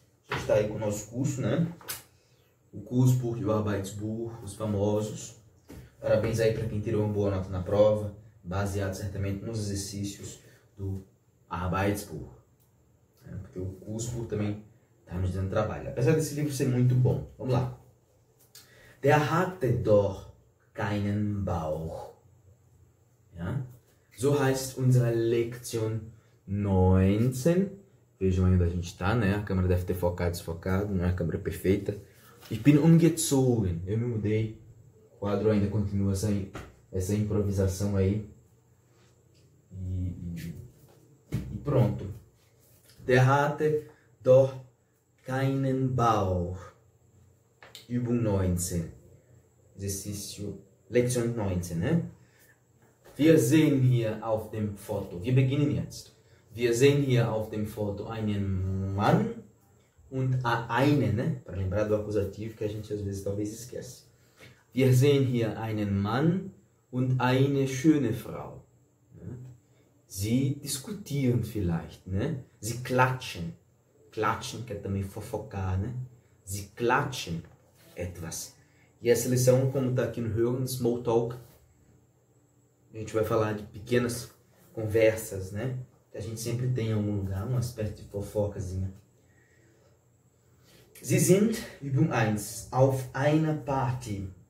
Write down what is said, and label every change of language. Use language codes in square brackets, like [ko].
[pt] Já está aí com o nosso curso, né? O Kursbuch e o Arbeitsbuch, os famosos. Parabéns aí para quem tirou uma boa nota na prova, baseado certamente nos exercícios do Arbeitsbuch. Porque o Kursbuch também está nos dando trabalho. Apesar desse livro ser muito bom. Vamos lá. [de] Der hatte doch keinen Bauch. Ja? So heißt unsere Lektion 19. [pt] Vejam aí onde a gente está, né? A câmera deve ter focado, desfocado, não é a câmera perfeita. [de] Ich bin umgezogen. [pt] Eu me mudei. O quadro ainda continua essa improvisação aí. E pronto. [de] Der hatte doch keinen Bauch. Übung 19. Exercício, Lektion 19, né? Wir sehen hier auf dem Foto, wir beginnen jetzt. Wir sehen hier auf dem Foto einen Mann und einen, né? [pt] Para lembrar do acusativo que a gente às vezes talvez esquece. [de] Wir sehen hier einen Mann und eine schöne Frau. Sie diskutieren vielleicht, né? Sie klatschen. [pt] Klatschen, que é também fofocar, né? [de] Sie klatschen etwas. [pt] E essa lição, como está aqui no Hören, Small Talk, a gente vai falar de pequenas conversas, né? Que a gente sempre tem em algum lugar, um aspecto de fofocazinha. [de] Sie sind, Übung 1, auf einer Party.